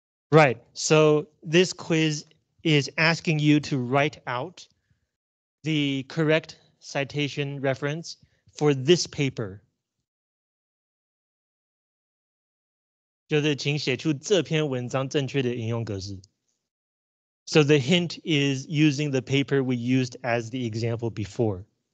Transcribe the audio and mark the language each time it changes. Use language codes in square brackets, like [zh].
[en] Right, so this quiz is asking you to write out the correct citation reference for this paper. [zh] 就是请写出这篇文章正确的引用格式。 [en] So the hint is using the paper we used as the example before.